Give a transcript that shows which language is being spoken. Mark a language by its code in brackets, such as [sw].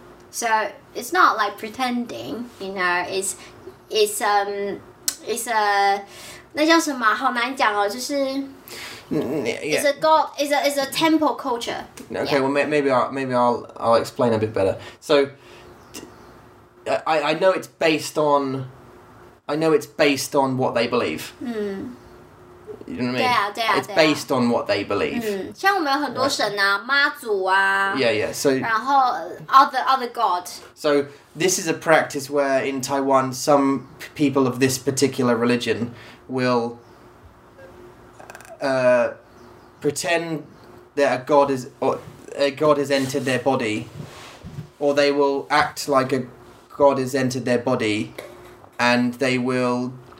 [en] So it's not like pretending, you know. It's a [zh] 那叫什么？好难讲哦，就是。 [en] Yeah. It's a temple culture. Okay,、yeah. well, maybe I'll explain a bit better. So, I know it's based on, what they believe. You know what I mean? [zh] 对啊，对啊。 [en] It's based on what they believe. [zh] 像我们有很多神啊，妈祖啊。 [en] Yeah, yeah. So. [zh] 然后 [en] other god. So this is a practice where in Taiwan some people of this particular religion will. Pretend that a god has entered their body, or they will act like a god has entered their body, and they will,